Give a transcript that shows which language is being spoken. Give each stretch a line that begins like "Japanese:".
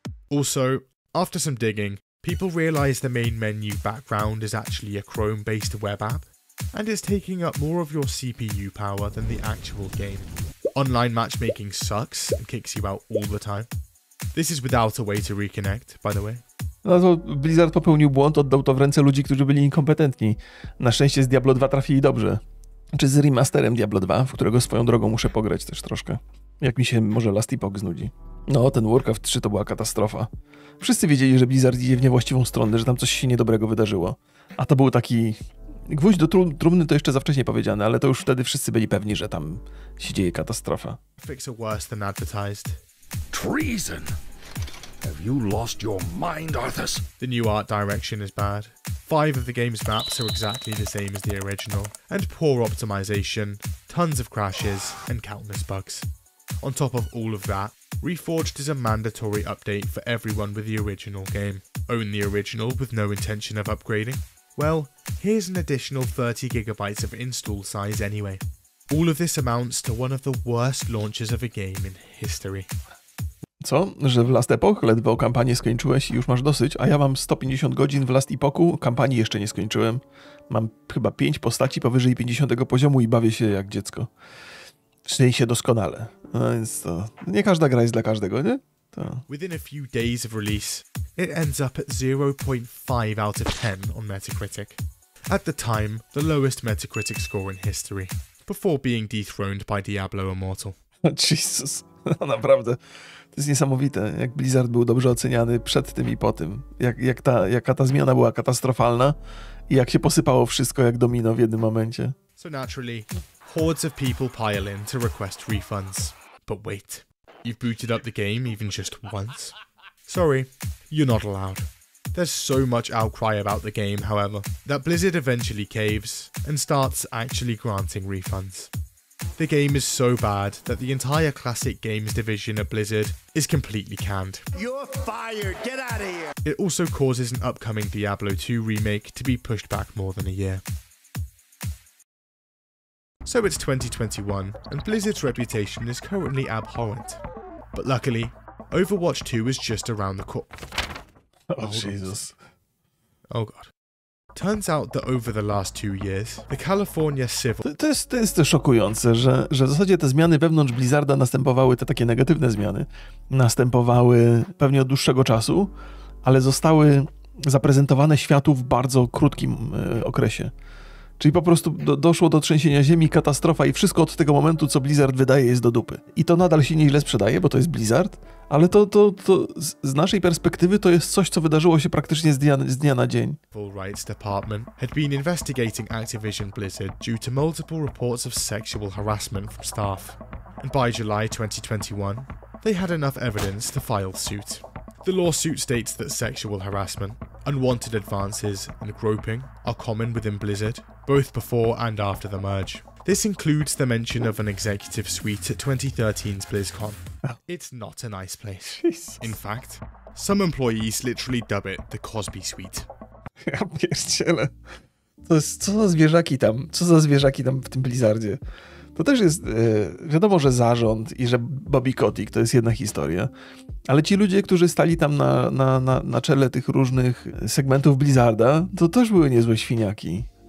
English: Also, after some digging, people realize the main menu background is actually a Chrome-based web app, and is taking up more of your CPU power than the actual game. Online matchmaking sucks and kicks you out all the time. This is without a way to reconnect, by the way.
Polish: No to Blizzard popełnił błąd, oddał to w ręce ludzi, którzy byli inkompetentni. Na szczęście z Diablo 2 trafili dobrze. Czy z remasterem Diablo 2, w którego swoją drogą muszę pograć też troszkę. Jak mi się może Last Epoch znudzi. No, ten Warcraft 3 to była katastrofa. Wszyscy wiedzieli, że Blizzard idzie w niewłaściwą stronę, że tam coś się niedobrego wydarzyło. A to był taki gwóźdź do trumny, to jeszcze za wcześnie powiedziane, ale to już wtedy wszyscy byli pewni, że tam się dzieje katastrofa.
English: Fix it worse than advertised. Treason! Have you lost your mind, Arthas? The new art direction is bad. 5 of the game's maps are exactly the same as the original, and poor optimization, tons of crashes, and countless bugs. On top of all of that, Reforged is a mandatory update for everyone with the original game. Own the original with no intention of upgrading? Well, here's an additional 30GB of install size anyway. All of this amounts to one of the worst launches of a game in history.
Polish: Co? Że w Last Epoch ledwo kampanię skończyłeś i już masz dosyć, a ja mam 150 godzin w Last Epochu, kampanii jeszcze nie skończyłem. Mam chyba 5 postaci powyżej 50 poziomu i bawię się jak dziecko. W sensie doskonale. No więc to, nie każda gra jest dla każdego, nie? To.
English: Within a few days of release, it ends up at 0.5 out of 10 on Metacritic. At the time, the lowest Metacritic score in history, before being dethroned by Diablo Immortal.
Polish: Jesus, naprawdę. To jest niesamowite, jak Blizzard był dobrze oceniany przed tym i po tym. Jaka ta zmiana była katastrofalna i jak się posypało wszystko jak domino w jednym momencie.
English: So naturally, hordes of people pile in to request refunds. But wait, you've booted up the game even just once? Sorry, you're not allowed. There's so much outcry about the game, however, that Blizzard eventually caves and starts actually granting refunds. The game is so bad that the entire classic games division at Blizzard is completely canned. You're fired! Get out of here! It also causes an upcoming Diablo 2 remake to be pushed back more than a year. So it's 2021, and Blizzard's reputation is currently abhorrent. But luckily, Overwatch 2 is just around the corner. Oh, Jesus. Oh, God. Turns out that over the last 2 years, the California civil...
Polish: To jest szokujące, że w zasadzie te zmiany wewnątrz Blizzarda następowały, te takie negatywne zmiany, następowały pewnie od dłuższego czasu, ale zostały zaprezentowane światu w bardzo krótkim okresie. Czyli po prostu doszło do trzęsienia ziemi, katastrofa i wszystko od tego momentu, co Blizzard wydaje, jest do dupy. I to nadal się nieźle sprzedaje, bo to jest Blizzard, ale to z naszej perspektywy to jest coś, co wydarzyło się praktycznie z dnia na dzień.
English: Civil Rights Department had been investigating Activision Blizzard due to multiple reports of sexual harassment from staff. And by July 2021, they had enough evidence to file suit. The lawsuit states that sexual harassment, unwanted advances and groping are common within Blizzard, both before and after the merge. This includes the mention of an executive suite at 2013's BlizzCon. It's not a nice place. Jesus. In fact, some employees literally dub it the Cosby Suite.
Polish: Ja pierdzielę. Co za zwierzaki tam w tym Blizzardzie. To też jest, wiadomo, że zarząd i że Bobby Kotick to jest jedna historia, ale ci ludzie, którzy stali tam na czele tych różnych segmentów Blizzarda, to też były niezłe świniaki.